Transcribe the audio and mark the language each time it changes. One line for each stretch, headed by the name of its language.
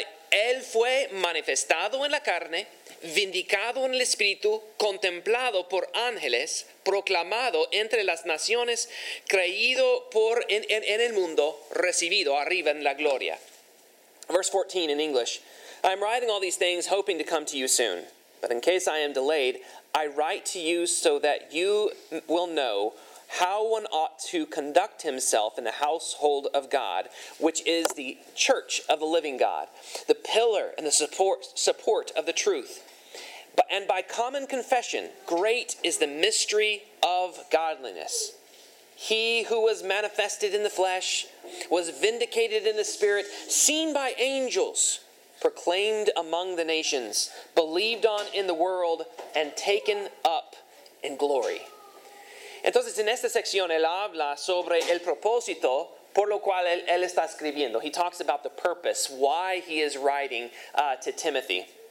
Spanish: Él fue manifestado en la carne, vindicado en el Espíritu, contemplado por ángeles, proclamado entre las naciones, creído por en el mundo, recibido arriba en la gloria.
English: Verse 14 in English. I am writing all these things, hoping to come to you soon. But in case I am delayed, I write to you so that you will know how one ought to conduct himself in the household of God, which is the church of the living God, the pillar and the support of the truth. And by common confession, great is the mystery of godliness. He who was manifested in the flesh was vindicated in the spirit, seen by angels, proclaimed among the nations, believed on in the world, and taken up in glory.
Spanish: Entonces, en esta sección, él habla sobre el propósito por lo cual él está escribiendo.
English: He talks about the purpose, why he is writing to Timothy.